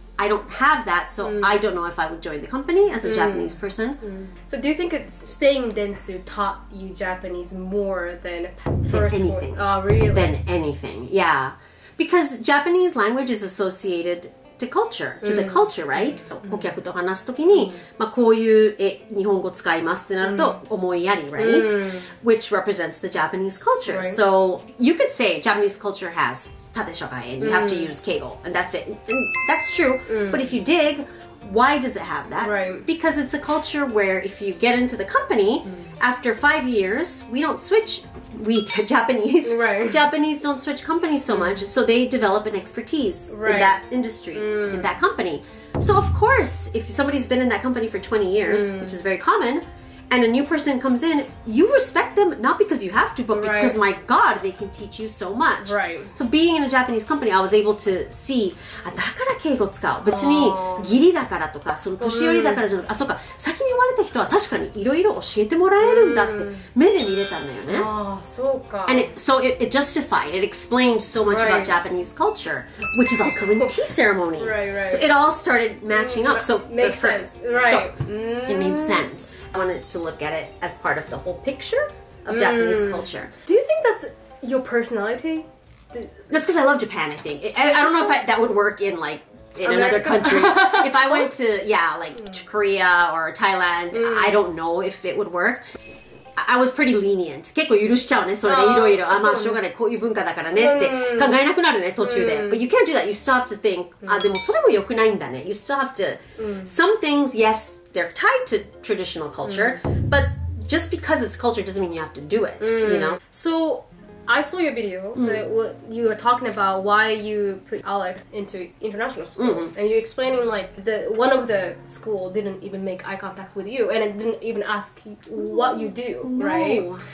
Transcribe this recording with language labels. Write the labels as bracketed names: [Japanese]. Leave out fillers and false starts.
[English] I don't have that, so I don't know if I would join the company as a Japanese person. So do you think it's staying Dentsu taught you Japanese more than first than anything? Oh, really? Than anything, yeah. Because Japanese language is associated to culture, to the culture, right? [Japanese] 顧客と話すときに、まあこういう日本語使いますってなると思いやり、right? [English] Which represents the Japanese culture. Right. So you could say Japanese culture has縦社会 and you have to use 敬語 and that's it. And that's true. But if you dig, why does it have that? Right. Because it's a culture where if you get into the company, after 5 years, we don't switch. We Japanese. Right. Japanese don't switch companies so much, so they develop an expertise in that industry, in that company. So of course, if somebody's been in that company for 20 years, which is very common, and a new person comes in, you respect them not because you have to, but because my God, they can teach you so much. Right. So being in a Japanese company, I was able to see, [Japanese] だから敬語使う。別にギリだからとか、その年寄りだからじゃなくて、あ、そうか、先に生まれた人は確かにいろいろ教えてもらえるんだって目で見れたんだよね。ああ、そうか。 [English] And it, so it justified, it explained so much about Japanese culture, which is also in tea ceremony. Right, right. So it all started matching up. So makes sense. Right. So, it made sense. I wanted to look at it as part of the whole picture of Japanese culture. Do you think that's your personality? That's because I love Japan, I think. I don't know if that would work in like in America? Another country. If I went to, yeah, like to Korea or Thailand, I don't know if it would work. I was pretty lenient. [Japanese] 結構許しちゃうね、それでいろいろ。あ、まあしょうがない、こういう文化だからねって考えなくなるね、途中で。 [English] But you can't do that. You still have to think, [Japanese] あ、でもそれも良くないんだね。 [English] You still have to, some things, yes,They're tied to traditional culture, but just because it's culture doesn't mean you have to do it, you know? So, I saw your video, that you were talking about why you put Alex into international school, and you're explaining like, the one of the school didn't even make eye contact with you, and it didn't even ask what you do, right?